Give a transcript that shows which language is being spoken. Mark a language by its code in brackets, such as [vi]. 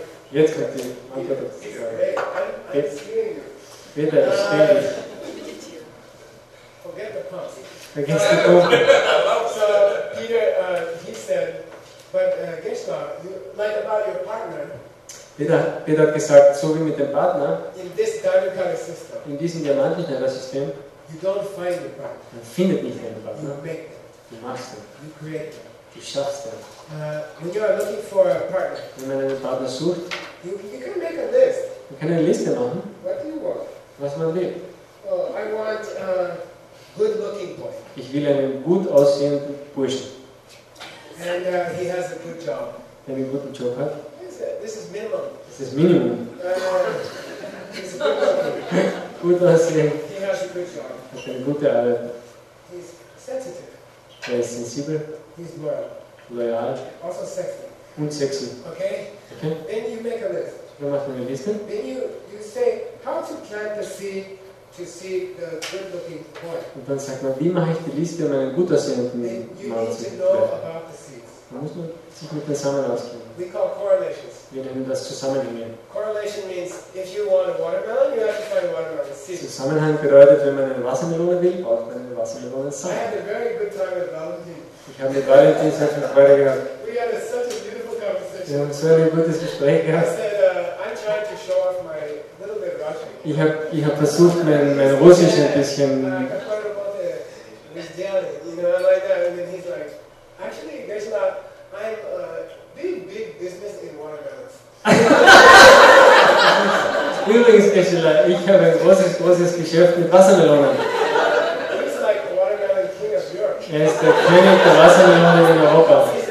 [de] jetzt kommt die Antwort. [en] I'm hearing you. [de] Bitte, ich stehe dich. [en] pumps. Against the pump. So Peter, he said, but Geshe-la, you like about your partner. [de] Peter hat gesagt, so wie mit dem Partner. [en] In this diamond color system. [de] In diesem diamantenen System. [en] You don't find the partner. [de] Man findet nicht den Partner. [en] You make them. [de] Du machst den. [en] You create them. [de] Du schaffst den. [en] When you are looking for a partner. [de] Wenn man einen Partner sucht. [en] You can make a list. [de] Man kann eine Liste machen. [en] What do you want? [de] Was man will. [en] Oh, I want a good looking boy. [de] Ich will einen gut aussehenden Burschen. [en] And he has a good job. [de] Der einen guten Job hat. [en] This is minimum. This is minimum. He's a good looking. [de] Gut aussehen. [en] He has a good job. [de] Hat eine gute Arbeit. [en] He's sensitive. [de] Er ist sensibel. [en] He's loyal. [de] Loyal. [en] Also sexy. [de] Und sexy. [en] Okay. Okay. Then you make a list. [de] Dann macht man eine Liste. [en] Then you say how to plant the seed to see the good looking boy. [de] Und dann sagt man, wie mache ich die Liste, um einen gut aussehenden Mann zu finden? Man muss sich mit den Samen auskennen. [en] We call correlations. [de] Wir nennen das Zusammenhänge. [en] Correlation means if you want a watermelon, you have to find a watermelon seed. [de] Zusammenhang bedeutet, wenn man eine Wassermelone will, braucht man eine Wassermelone Samen. [en] I had a very good time with Valentin. [de] Ich habe mit Valentin sehr viel Freude gehabt. [en] We had such a beautiful conversation. [de] Wir haben so ein gutes Gespräch gehabt. [en] I said, I tried to show off my little bit of Russian. [de] Ich hab versucht, mein Russisch ein bisschen. [en] I thought about the Rizdiali, you know, like that, and then he's like, actually, Geshe-la, I'm big business in watermelons. [de] Übrigens, Geshe-la, ich habe ein großes Geschäft mit Wassermelonen. [en] He's like the watermelon king of Europe. [de] Er ist der König der Wassermelonen in Europa.